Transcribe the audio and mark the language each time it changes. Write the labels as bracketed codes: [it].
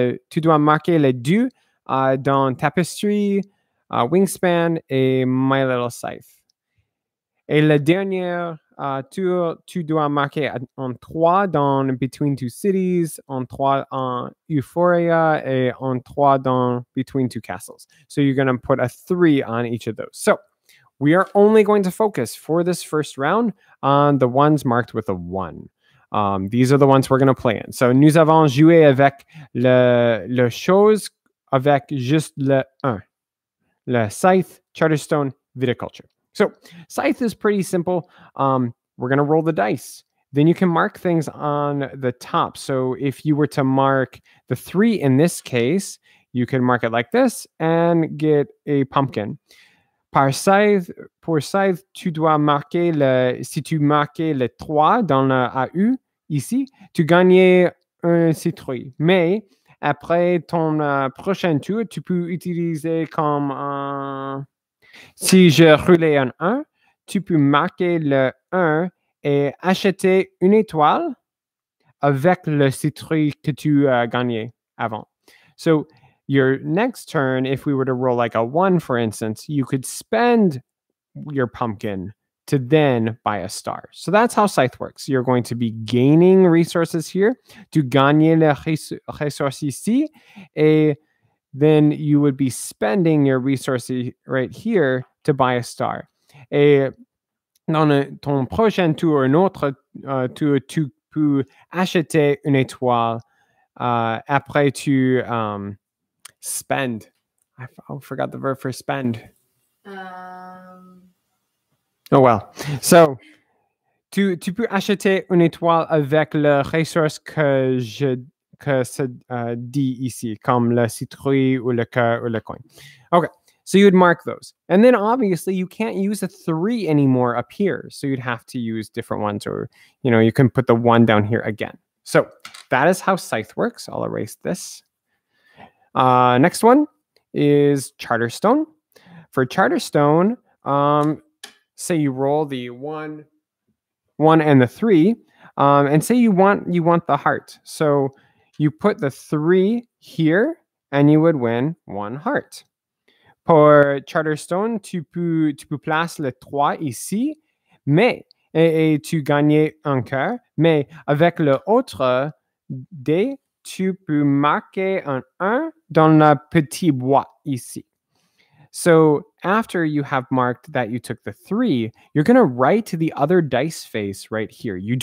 [fr] Tu dois marquer les deux. Dans Tapestry, Wingspan et My Little Scythe. Et la dernière tour, tu dois marquer en 3 dans Between Two Cities, en 3 en Euphoria et en 3 dans Between Two Castles. [en] So you're going to put a 3 on each of those. So we are only going to focus for this first round on the ones marked with a 1. These are the ones we're going to play in. [fr] So nous avons joué avec le chose avec juste le 1, le Scythe, Charterstone, Viticulture. [en] So, Scythe is pretty simple. We're going to roll the dice. Then you can mark things on the top. So, if you were to mark the 3 in this case, you could mark it like this and get a pumpkin. [fr] Pour Scythe, tu dois marquer le 3 dans le AU, ici, tu gagnes un citrouille. Mais après ton prochain tour, tu peux utiliser comme si je roulais un 1, tu peux marquer le 1 et acheter une étoile avec le citrouille que tu as gagné avant. [en] So, your next turn, if we were to roll like a 1, for instance, you could spend your pumpkin to then buy a star. So that's how Scythe works. You're going to be gaining resources here. [fr] Tu gagnes les ressources ici. [en] Et then you would be spending your resources right here to buy a star. [fr] Et dans ton prochain tour, un autre tour, tu peux acheter une étoile après tu spend. [en] I forgot the verb for spend. Oh well. [fr] So tu peux acheter une étoile avec le ressource que je que ça dit ici, comme le citrouille ou le cœur ou le coin. [en] Okay. So you'd mark those. And then obviously you can't use a three anymore up here. So you'd have to use different ones or, you know, you can put the one down here again. So that is how Scythe works. I'll erase this. Next one is Charterstone. For Charterstone, say you roll the one and the three, and say you want the heart. So you put the three here and you would win one heart. [fr] Pour Charterstone, tu peux placer le 3 ici, mais et tu gagnes un cœur. Mais avec le autre D, tu peux marquer un 1 dans le petit bois ici. [en] So after you have marked that you took the 3, you're going to write the other dice face right here.